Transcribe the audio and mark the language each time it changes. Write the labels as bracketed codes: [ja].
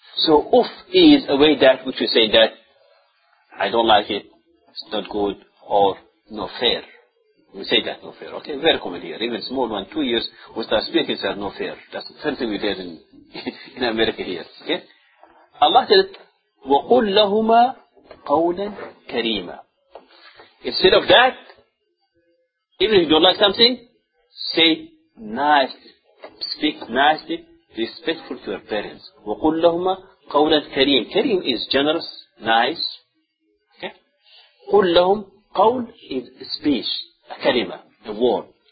[en] So uff is a way that which we say that I don't like it, it's not good, or no fair. We say that no fair, okay? Very common here. Even small one, 2 years, we start speaking, say no fair. That's the same thing we did in America here, okay? [ar] Allah said, وَقُلْ لَهُمَا قَوْلًا كَرِيمًا. [en] Instead of that, even if you don't like something, say nice, speak nicely, respectful to your parents. [ar] وَقُلْ لَهُمَا قَوْلًا كَرِيمًا. [en] Kareem is generous, nice. [ar] قُلْ لَهُمْ قَوْلْ [en] is speech, a kalima, a word.